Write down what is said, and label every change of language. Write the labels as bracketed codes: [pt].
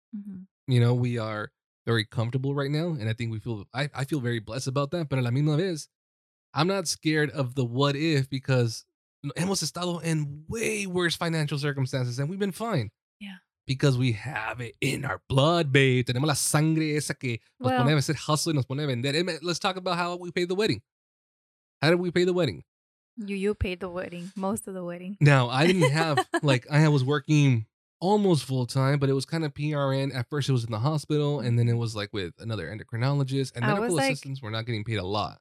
[en] Mm-hmm. You know, we are very comfortable right now. And I think I feel very blessed about that. [es] Pero a la misma vez, [en] I'm not scared of the what if because... [es] Hemos estado [en] in way worse financial circumstances and we've been fine. Yeah. Because we have it in our blood, babe. [es] Tenemos la sangre esa que nos pone a hacer hustle y nos pone a vender. [en] Let's talk about how we paid the wedding. How did we pay the wedding? You paid the wedding. Most of the wedding. Now, I didn't have, like, I was working almost full time, but it was kind of PRN. At first, it was in the hospital and then it was like with another endocrinologist and medical assistants were not getting paid a lot.